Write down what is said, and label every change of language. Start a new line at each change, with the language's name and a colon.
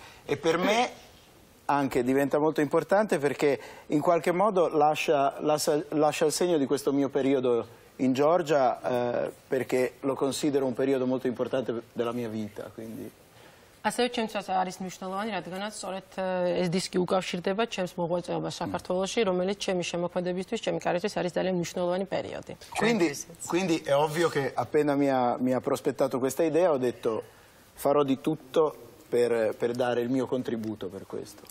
Italian: e per me anche diventa molto importante perché in qualche modo lascia il segno di questo mio periodo in Georgia perché lo considero un periodo molto importante della mia vita quindi
Georgian: ასევე ჩემთვის არის მნიშვნელოვანი რადგანაც სწორედ ეს დისკი უკავშირდება ჩემს მოღვაწეობას საქართველოში რომელიც ჩემი შემოქმედებისთვის ჩემი კარიერისთვის არის ძალიან მნიშვნელოვანი პერიოდი
Italian: quindi è ovvio che appena mi ha prospettato questa idea ho detto farò di tutto per dare il mio contributo per questo.